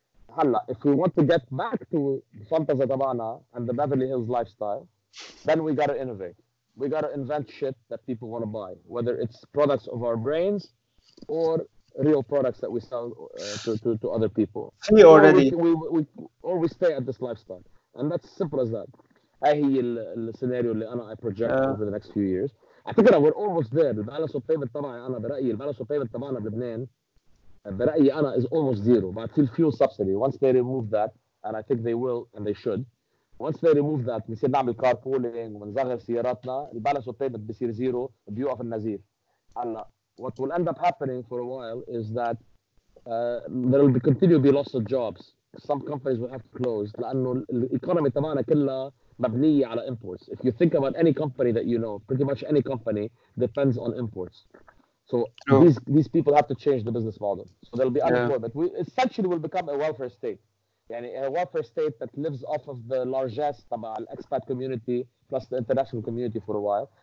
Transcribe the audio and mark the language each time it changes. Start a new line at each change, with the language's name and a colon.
Arabic: هلا
English: if we want to get back to
Arabic: فانتازا تبعنا
English: and the Beverly Hills lifestyle, then we gotta innovate. We gotta invent shit that people wanna buy, whether it's products of our brains or real products that we sell to other people. We already. Or we stay at this lifestyle, and that's simple as that.
Arabic: هاي هي السيناريو اللي أنا
English: I project yeah. over the next few years.
Arabic: أعتقد
English: we're almost there. The balance of payment
Arabic: تبعي أنا برأيي
English: the balance of payment
Arabic: تبعنا بلبنان برأيي أنا
English: is almost zero.
Arabic: بعد في
English: fuel subsidy. Once they remove that, and I think they will and they should. Once they remove that,
Arabic: نصير نعمل
English: carpooling
Arabic: ونزغر سياراتنا.
English: The balance of payment
Arabic: بصير
English: zero. View of النزير.
Arabic: هلا
English: what will end up happening for a while is that there will be continue to be loss of jobs. Some companies will have to close.
Arabic: لأنه الإقتصاد تبعنا كله مبني على imports.
English: If you think about any company that you know, pretty much any company depends on imports. So true. these people have to change the business model. So there'll be unemployment. Yeah. We essentially will become a welfare state.
Arabic: يعني
English: a welfare state that lives off of the largesse
Arabic: تبع
English: expat community plus the international community for a while.